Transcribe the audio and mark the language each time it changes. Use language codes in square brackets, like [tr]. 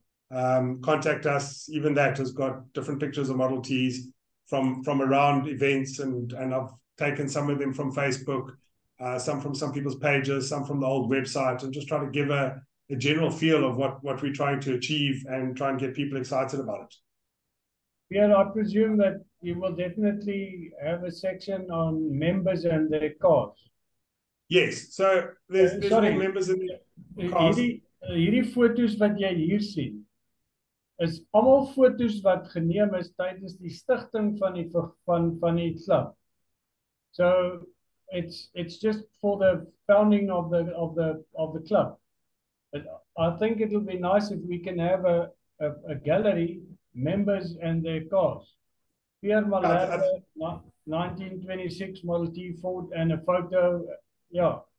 [en] Contact us, even that has got different pictures of Model Ts from around events, and I've taken some of them from Facebook, some from some people's pages, some from the old website, and just try to give a general feel of what we're trying to achieve and try and get people excited about it. Yeah, I presume that you will definitely have a section on members and their cars. Yes, so there's members and cars. [af] Hierdie foto's wat jy hier sien, is almal foto's wat geneem is tydens die stichting van die club. [en] So it's just for the founding of the club. But I think it'll be nice if we can have a gallery, members and their cars. Pierre Malherbe, 1926 Model T Ford, and a photo. Yeah.